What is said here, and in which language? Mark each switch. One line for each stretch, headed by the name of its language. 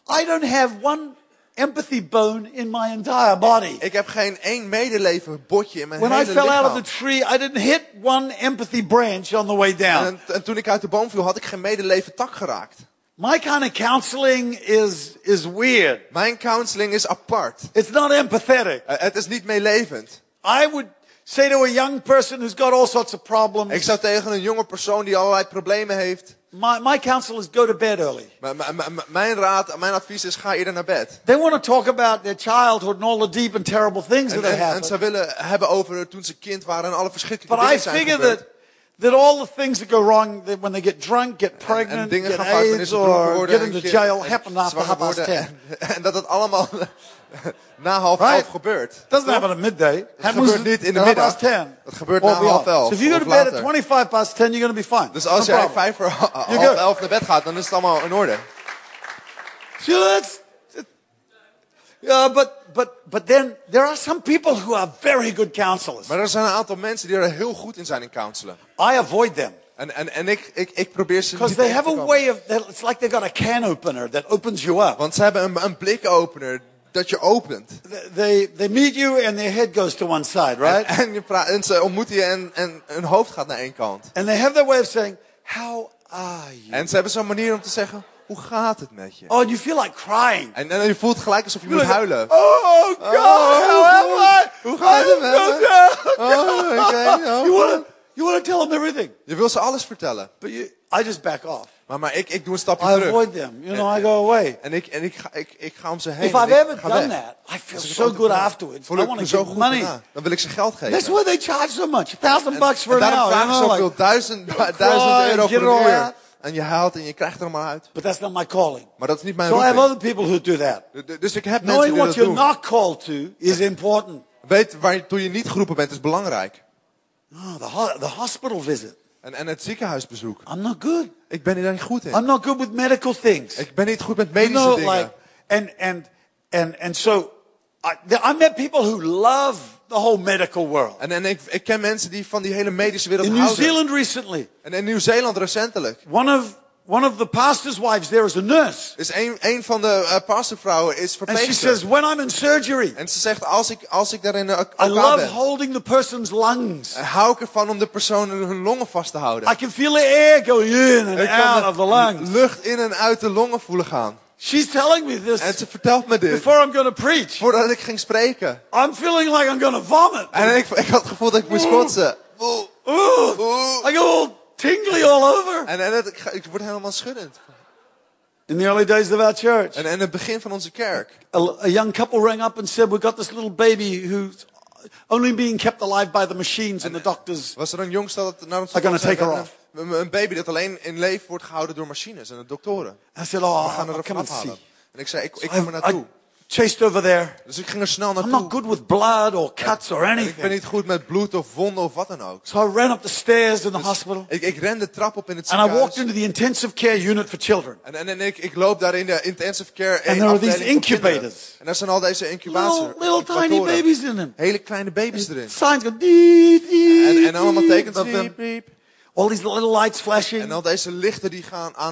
English: I don't have one empathy bone in my entire body.
Dutch: Ik heb geen één medeleven botje in mijn hele lichaam.
English: When I fell out of the tree, I didn't hit one empathy branch on the way down.
Dutch: En toen ik uit de boom viel, had ik geen medeleven tak geraakt.
English: My kind of counseling is weird.
Dutch: Mijn counseling is apart.
English: It's not empathetic.
Dutch: Het is niet meelevend.
English: I would say to a young person who's got all sorts of problems.
Dutch: Ik zou tegen een jonge persoon die allerlei problemen heeft.
English: My counsel is go to bed early.
Dutch: Mijn advies is ga eerder naar bed.
English: They want to talk about their childhood and all the deep and terrible things that they happened.
Dutch: En ze willen hebben over toen ze kind waren en alle verschrikkelijke dingen zijn gebeurd.
English: But I figure that all the things that go wrong when they get drunk, get pregnant,
Dutch: en
English: get AIDS or get into jail happen after half past 10.
Dutch: En dat allemaal na half elf gebeurt.
English: Doesn't happen at midday.
Dutch: Het gebeurt niet in de middag.
English: Past 10.
Dutch: Het gebeurt na half elf.
English: So if you go to bed at 25 past 10, you're going to be fine.
Dutch: Dus als jij 5 voor half elf naar bed gaat, dan is het allemaal in orde.
English: So that's yeah, but then there are some people who are very good counselors.
Dutch: Maar er zijn een aantal mensen die er heel goed in zijn in counselen.
English: I avoid them.
Dutch: En ik probeer ze.
English: Because they have a way of, it's like they got a can opener that opens you up.
Dutch: Want ze hebben een blik opener. Dat je opent.
English: They meet you and their head goes to one side, right?
Dutch: En ze ontmoeten je en hun hoofd gaat naar één kant.
English: And they have their way of saying, how are you?
Dutch: En ze hebben zo'n manier om te zeggen, hoe gaat het met je?
English: Oh, you feel like crying.
Dutch: En je voelt gelijk alsof je moet huilen.
English: Oh God, how am I?
Dutch: Hoe gaat het met me?
English: Oh, okay. You want to tell them everything.
Dutch: Je wil ze alles vertellen.
English: But I just back off.
Dutch: Maar ik doe een stapje terug.
English: I avoid them, you know. I go away.
Dutch: En ik ga om ze heen.
English: If I've ever done that, I feel so good afterwards.
Dutch: Voel ik me zo goed daarna. Dan wil ik ze geld geven.
English: That's why they charge so much, $1,000 for an hour.
Dutch: En daarom vragen ze zoveel, €1,000 voor een uur. En je haalt en je krijgt er maar uit.
English: But that's not my calling.
Dutch: Maar dat is niet mijn
English: roeping. So I have other people who do that.
Dutch: Dus ik heb mensen die dat
English: doen. Knowing what you're not called to is important.
Dutch: Weet waartoe je niet geroepen bent is belangrijk.
English: Oh, the hospital visit.
Dutch: En het ziekenhuisbezoek.
English: I'm not good.
Dutch: Ik ben er niet goed in.
English: I'm not good with medical things.
Dutch: Ik ben niet goed met medische dingen.
English: Like, and so I met people who love the whole medical world.
Dutch: En ik ken mensen die van die hele medische wereld in houden.
English: In New Zealand recently.
Dutch: En in New Zealand recentelijk.
English: One of the pastor's wives there is a nurse.
Dutch: Is een van de pastorvrouwen is verpleegster.
English: And she says when I'm in surgery.
Dutch: En ze zegt als ik daar in elkaar ben.
English: I love holding the person's lungs.
Dutch: Hou ik ervan om de persoon hun longen vast te houden.
English: I can feel the air go in and out of the lungs.
Dutch: Lucht in en uit de longen voelen gaan.
English: She's telling me this.
Dutch: En ze vertelt me dit.
English: Before I'm going to preach.
Dutch: Voordat ik ging spreken.
English: I'm feeling like I'm going to vomit.
Dutch: En ik had het gevoel dat ik moest kotsen.
English: I go all tingly all over.
Dutch: En ik word helemaal schuddend.
English: In the early days of our church.
Dutch: En in het begin van onze kerk.
English: A young couple rang up and said, we got this little baby who's only being kept alive by the machines and the doctors.
Dutch: Was er een jongstel dat naar ons
English: are going to take her off.
Dutch: Een baby dat alleen in leven wordt gehouden door machines en de doktoren.
English: I said, oh,
Dutch: we gaan er
English: come and see.
Dutch: En ik zei, ik kom er naartoe.
English: Chased over there.
Dutch: Dus ik ging er snel naartoe.
English: I'm not good with blood or cuts or anything.
Dutch: Ik ben niet goed met bloed of wonden of wat dan ook.
English: So I ran up the stairs in the hospital.
Dutch: Ik ren de trap op in het ziekenhuis.
English: And I walked into the intensive care unit for children.
Dutch: En ik loop daar in de intensive care.
English: And there are these incubators.
Dutch: En daar zijn al deze incubators.
English: Little tiny babies in them.
Dutch: Hele kleine baby's erin.
English: Signs go dee dee.
Dutch: En allemaal tekens van
English: all these little lights flashing.
Dutch: En al deze lichten die gaan aan